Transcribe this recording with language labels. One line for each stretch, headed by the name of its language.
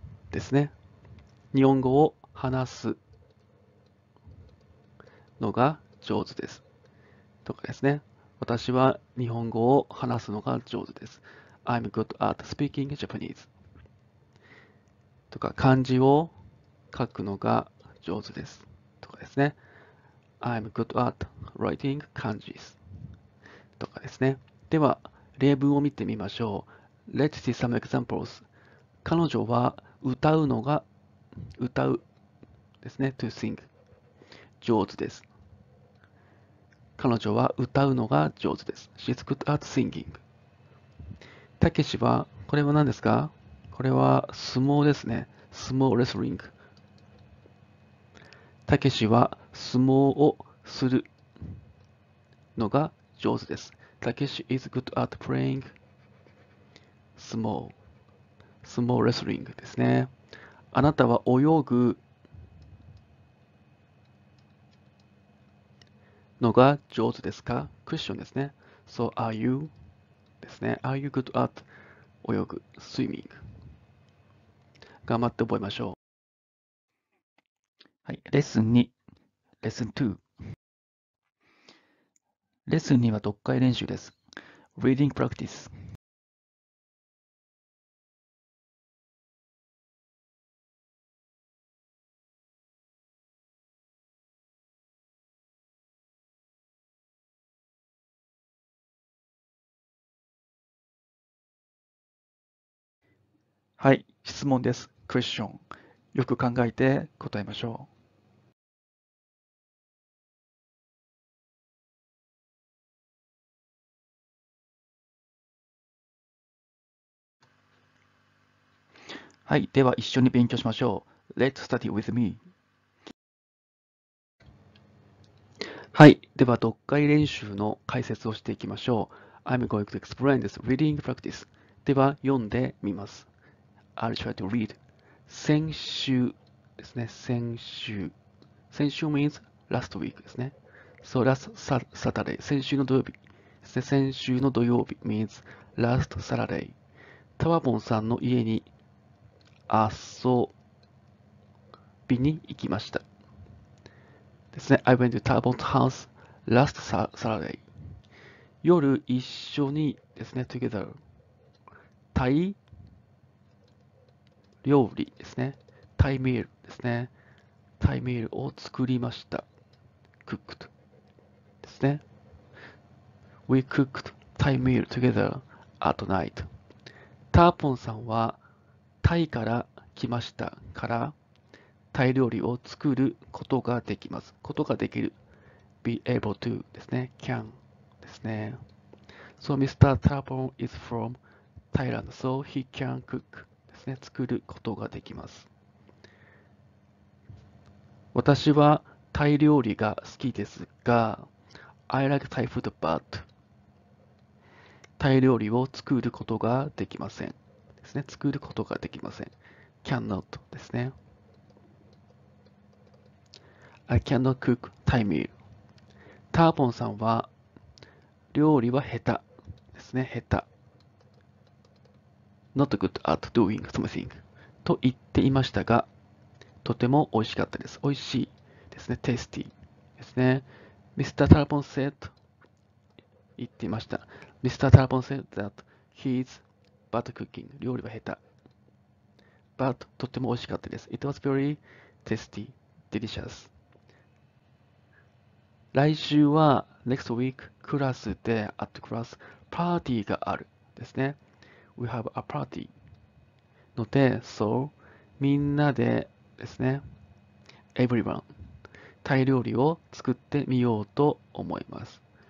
Japanese: ですね。日本語を話すのが上手です。とかですね。私は日本語を話すのが上手です。
English: I'm good at speaking Japanese.
Japanese: とか、漢字を書くのが上手です。とかですね。
English: I'm good at writing
Japanese: 漢字です。とかですね。では、例文を見てみましょう。
English: Let's see some examples.
Japanese: 彼女は歌うのが、歌うですね。
English: To sing.
Japanese: 上手です。彼女は歌うのが上手です。
English: She's good at singing.
Japanese: たけしは、これは何ですか？これは相撲ですね。相撲レスリング。たけしは相撲をするのが上手です。
English: たけし is good at playing 相撲。
Japanese: 相撲レスリングですね。あなたは泳ぐのが上手ですか？クッションですね。
English: So are you ですね。 Are you good at
Japanese: 泳ぐ
English: swimming。
Japanese: 頑張って覚えましょう。はい、レッスン2。レッスン2。レッスン2は読解練習です。
English: Reading practice。
Japanese: はい、質問です。クエスチョン。よく考えて答えましょう。はい、では一緒に勉強しましょう。
English: Let's study with me.
Japanese: はい、では読解練習の解説をしていきましょう。
English: I'm going to explain this reading practice.
Japanese: では読んでみます。
English: I'll try to read.
Japanese: 先週ですね。先週。
English: 先週 means last week ですね。 So last Saturday.
Japanese: 先週の土曜日ですね。先週の土曜日
English: means last Saturday.
Japanese: タワボンさんの家に遊びに行きました。ですね。
English: I went to Tawabon's house last Saturday.
Japanese: 夜一緒にですね。
English: Together.
Japanese: タイ料理ですね。タイメールですね。タイメールを作りました。
English: cooked ですね。 We cooked Thai meal together at night.
Japanese: ターポンさんはタイから来ましたから、タイ料理を作ることができます。ことができる。
English: be able to ですね。 can ですね。So Mr. Tarpon is from Thailand, so he can cook.
Japanese: 作ることができます。私はタイ料理が好きですが、
English: I like Thai food, but
Japanese: タイ料理を作ることができません。ですね、作ることができません。
English: cannot ですね。 I cannot cook Thai meal.
Japanese: ターポンさんは料理は下手ですね、下手。
English: Not good at doing something.
Japanese: と言っていましたが、とても美味しかったです。美味しいですね。
English: Tasty
Japanese: ですね。Mr.
English: Tarpon said,
Japanese: 言っていました。
English: Mr. Tarpon said that he is bad cooking.
Japanese: 料理は下手。
English: But,
Japanese: とても美味しかったです。
English: It was very tasty, delicious.
Japanese: 来週は、
English: next week,
Japanese: クラスで、
English: at class,
Japanese: パーティーがあるですね。
English: We have a party.
Japanese: ので、
English: so,
Japanese: みんなでですね、
English: everyone,
Japanese: タイ料理を作ってみようと思います。